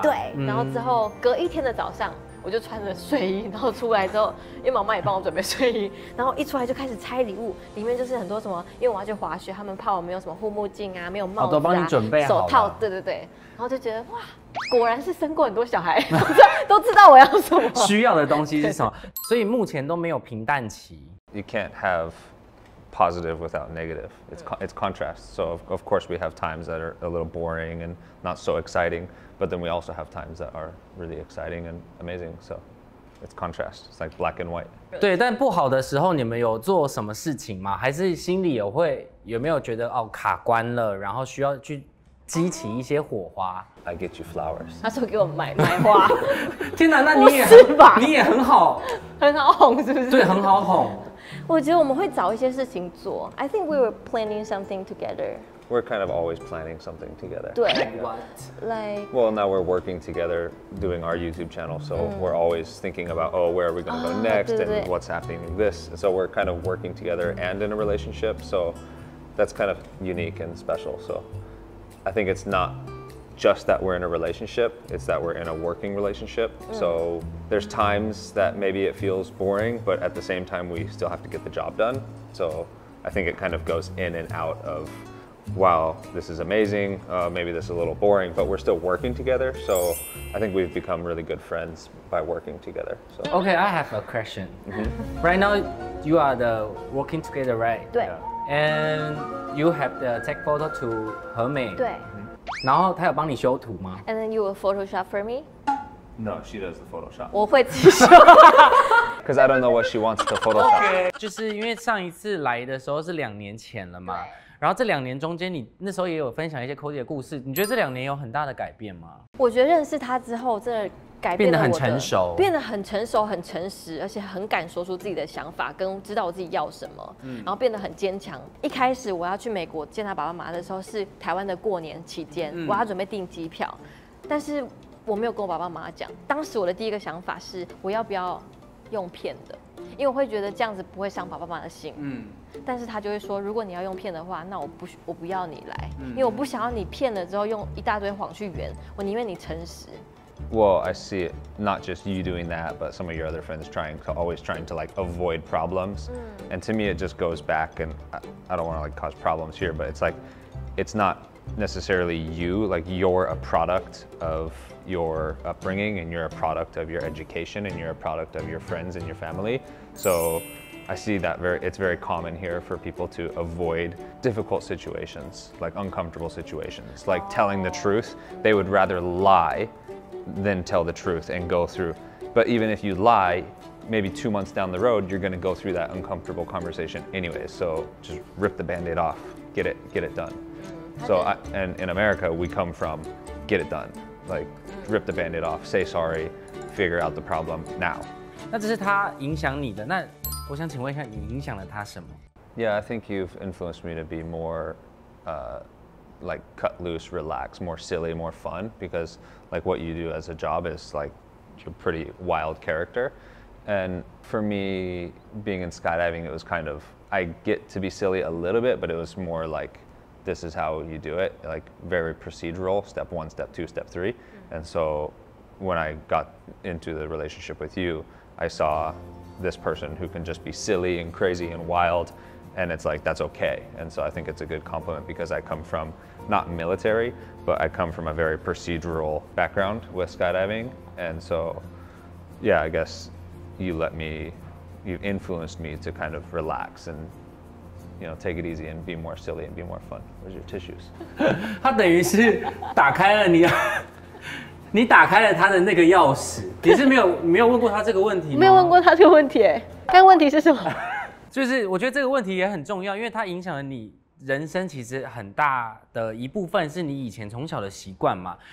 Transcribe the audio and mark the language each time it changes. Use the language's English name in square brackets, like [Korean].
[Chinese] 对，然后之后隔一天的早上我就穿着睡衣，然后出来之后，因为妈妈也帮我准备睡衣，然后一出来就开始拆礼物，里面就是很多什么，因为我要去滑雪，他们怕我没有什么护目镜啊，没有帽子啊，都帮你准备好了，手套，对对对，然后就觉得哇，果然是生过很多小孩，都知道我要什么，需要的东西是什么，所以目前都没有平淡期。 [English] You can't have positive without negative. It's contrast. So of course we have times that are a little boring and not so exciting. But then we also have times that are really exciting and amazing. So it's contrast. It's like black and white. [Chinese] 对，但不好的时候，你们有做什么事情吗？还是心里有会有没有觉得哦卡关了，然后需要去激起一些火花 [English] ？I get you flowers. [Chinese] 他说给我买花。天哪，那你也是吧？你也很好，很好哄，是不是？对，很好哄。我觉得我们会找一些事情做。 [English] I think we were planning something together. We're kind of always planning something together. Do it. What? Like... Well, now we're working together doing our YouTube channel, so we're always thinking about, oh, where are we going to go next, and what's happening in this. So we're kind of working together and in a relationship, so that's kind of unique and special. So I think it's not just that we're in a relationship, it's that we're in a working relationship. So there's times that maybe it feels boring, but at the same time, we still have to get the job done. So I think it kind of goes in and out of... Wow, this is amazing. Maybe this is a little boring, but we're still working together. So I think we've become really good friends by working together. So. Okay, I have a question. Mm-hmm. Right now, you are the working together, right? [Chinese] 对、yeah. [English] And you have the take photo to 何美。 [Chinese] 对。然后他有帮你修图吗 [English] ？And then you will Photoshop for me? No, she does the Photoshop. [Chinese] 我会自己修。 [English] Because I don't know what she wants to Photoshop. Okay. [Chinese] 就是因为上一次来的时候是两年前了嘛。然后这两年中间，你那时候也有分享一些 Cody 的故事，你觉得这两年有很大的改变吗？我觉得认识他之后，真的改变得很成熟，变得很成熟，很诚实，而且很敢说出自己的想法，跟知道我自己要什么，然后变得很坚强。一开始我要去美国见他爸爸妈妈的时候，是台湾的过年期间，我要准备订机票，但是我没有跟我爸爸妈妈讲。当时我的第一个想法是，我要不要用骗的？因为我会觉得这样子不会伤爸爸妈妈的心，但是他就会说，如果你要用骗的话，那我不要你来，因为我不想要你骗了之后用一大堆谎去圆，我宁愿你诚实。 [English] Well, I see it. Not just you doing that, but some of your other friends always trying to like avoid problems. And to me, it just goes back, and I don't want to like cause problems here, but it's like it's not necessarily you. Like you're a product of. Your upbringing and you're a product of your education and you're a product of your friends and your family. So I see that it's very common here for people to avoid difficult situations, like uncomfortable situations, like telling the truth. They would rather lie than tell the truth and go through. But even if you lie, maybe 2 months down the road, you're going to go through that uncomfortable conversation anyway. So just rip the band-aid off, get it done. So and in America, we come from get it done. Like, rip the band-aid off, say sorry, figure out the problem now. [Chinese] 那这是他影响你的，那我想请问一下，你影响了他什么？ [English] Yeah, I think you've influenced me to be more, like, cut loose, relax, more silly, more fun, because, like, what you do as a job is, like, you're a pretty wild character. And for me, being in skydiving, it was kind of, I get to be silly a little bit, but it was more like,This is how you do it, like very procedural, step one, step two, step three. And so when I got into the relationship with you, I saw this person who can just be silly and crazy and wild. And it's like, that's okay. And so I think it's a good compliment because I come from not military, but I come from a very procedural background with skydiving. And so, yeah, I guess you've influenced me to kind of relax andYou know, take it easy and be more silly and be more fun. Where's your tissues? [Chinese] 他等于是打开了你打开了他的那个钥匙。你是没有问过他这个问题吗？没有问过他这个问题，哎，但问题是什么？就是我觉得这个问题也很重要，因为它影响了你人生其实很大的一部分，是你以前从小的习惯嘛。